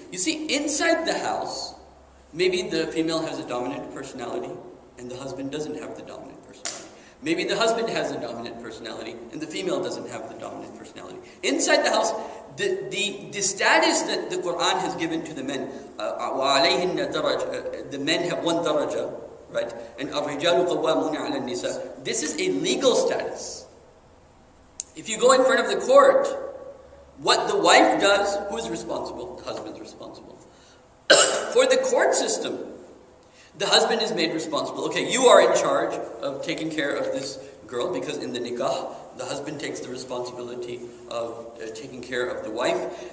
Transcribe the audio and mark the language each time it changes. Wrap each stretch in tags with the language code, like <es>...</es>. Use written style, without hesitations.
<en>You see, inside the house, maybe the female has a dominant personality and the husband doesn't have the dominant personality. Maybe the husband has a dominant personality and the female doesn't have the dominant personality. Inside the house, the status that the Quran has given to the men, the men have one daraja, right?</en> <ar>And الرجال قوامون على النساء.</ar> <en>This is a legal status. If you go in front of the court, what the wife does, who is responsible? The husband's responsible. For the court system, the husband is made responsible. Okay, you are in charge of taking care of this girl, because in the nikah, the husband takes the responsibility of taking care of the wife.</en>